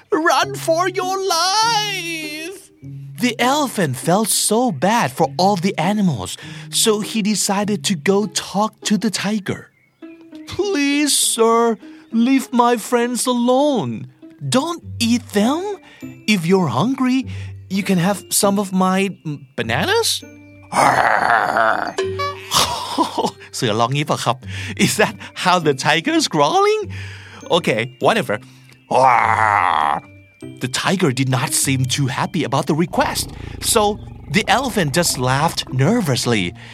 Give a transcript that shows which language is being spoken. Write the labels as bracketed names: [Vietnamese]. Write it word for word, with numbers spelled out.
[English] Run for your life!" The elephant felt so bad for all the animals, so he decided to go talk to the tiger. "Please, sir, leave my friends alone. Don't eat them. If you're hungry, you can have some of my bananas." [Thai] เสือร้องงี้ป่ะครับ [English] Is that how the tiger is growling? Okay, whatever. The tiger did not seem too happy about the request, so the elephant just laughed nervously.